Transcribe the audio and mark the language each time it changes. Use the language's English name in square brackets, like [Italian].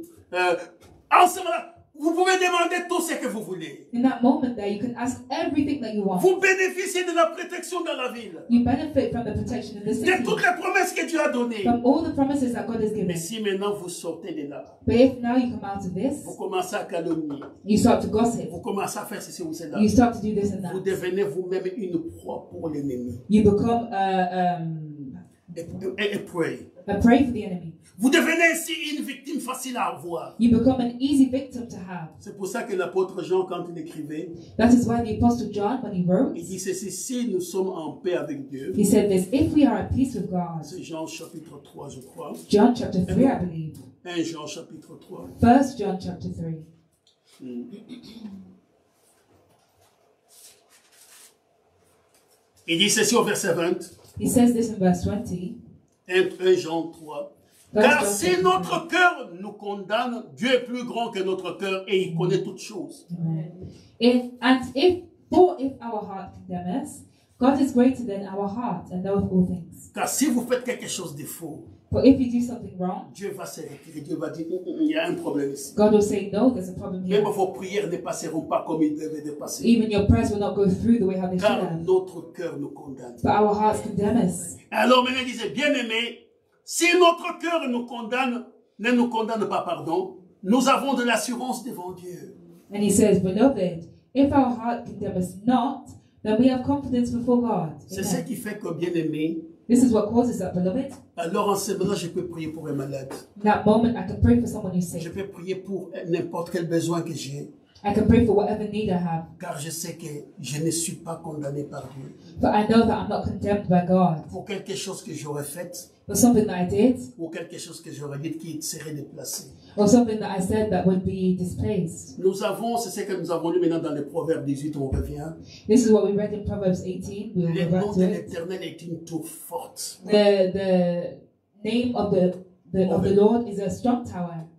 [French] En ce moment, vous pouvez demander tout ce que vous voulez. [English] In that moment there, you can ask everything that you want. [French] Vous bénéficiez de la protection dans la ville. [English] You benefit from the protection in the city. [French] De toutes les promesses que Dieu a données. [English] From all the promises that God has given. [French] Mais si maintenant vous sortez de là. [English] But if now you come out of this. [French] Vous commencez à calomnier. [English] You start to gossip. [French] Vous commencez à faire ceci ou cela. [English] You start to do this and that. [French] Vous devenez vous-même une proie pour l'ennemi. [English] You become... A prey. A But pray for the enemy. [French] Vous devenez ainsi une victime facile à avoir. [English] You become an easy victim to have. [French] C'est pour ça que l'apôtre Jean, quand il écrivait, [English] that is why the apostle John, when he wrote, [French] il dit ceci, si nous sommes en paix avec Dieu, [English] he said this, if we are at peace with God, [French] c'est Jean chapitre 3, je crois. [English] John chapter 3, I believe. [French] 1 Jean chapitre 3. [English] 1 John chapter 3. [French] Il dit ceci au verset 20. [English] He says this in verse 20. [French] 1 Jean 3. Car si notre cœur nous condamne, Dieu est plus grand que notre cœur et il connaît toutes choses. [English] If our heart condemns us, God is greater than our heart and knows all things. [French] Car si vous faites quelque chose de faux, [English] for if you do something wrong, [French] Dieu va se retirer. Dieu va dire, il y a un problème ici. [English] God will say, no, there's a problem here. [French] Même vos prières ne passeront pas comme ils devaient de passer. [English] Even your prayers will not go through the way how they should. [French] Car notre cœur nous condamne. [English] But our hearts condemn us. [French] Alors maintenant, il disait, bien aimé, si notre cœur nous condamne, ne nous condamne pas, pardon, nous avons de l'assurance devant Dieu. [English] And he says, beloved, if our heart condemns us not, then we have confidence before God. [French] C'est ce qui fait que bien aimé. [English] This is what causes that, beloved. [French] Alors en ce moment, je peux prier pour un malade. [English] That moment, I can pray for someone who's sick. [French] Je peux prier pour n'importe quel besoin que j'ai. [English] I can pray for whatever need I have. [French] Car je sais que je ne suis pas condamné par Dieu. [English] But I know that I'm not condemned by God. [French] Pour quelque chose que j'aurais fait. [English] For something that I did. [French] Ou quelque chose que j'aurais dit qui serait déplacé. [English] Or something that I said that would be displaced. [French] Nous avons, c'est ce que nous avons lu maintenant dans le Proverbe 18, on revient. [English] This is what we read in Proverbs 18. [French] Le nom de l'Éternel est une tour forte. [English] The name of the Lord is a strong tower.